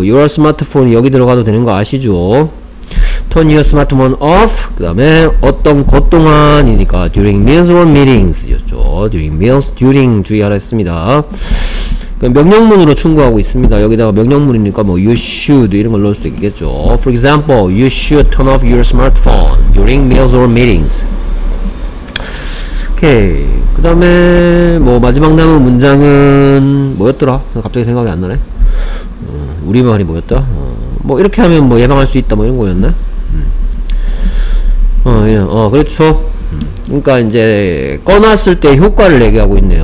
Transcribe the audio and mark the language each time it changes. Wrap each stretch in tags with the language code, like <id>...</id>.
<ko>your smartphone 여기 들어가도 되는 거 아시죠?</ko> <en>turn your smartphone off</en> <ko>그 다음에 어떤 것 동안이니까</ko> <en>during meals or meetings</en> <ko>였죠. during meals, during 주의하라 했습니다. 명령문으로 충고하고 있습니다. 여기다가 명령문이니까 뭐 you should 이런 걸 넣을 수 있겠죠.</ko> <en>for example you should turn off your smartphone during meals or meetings.</en> <ko>오케이. 그 다음에 뭐 마지막 남은 문장은 뭐였더라? 갑자기 생각이 안 나네. 우리말이 뭐였다? 뭐 이렇게 하면 뭐 예방할 수 있다 뭐 이런 거였나? 그렇죠. 그러니까 이제 꺼놨을 때 효과를 얘기하고 있네요.</ko>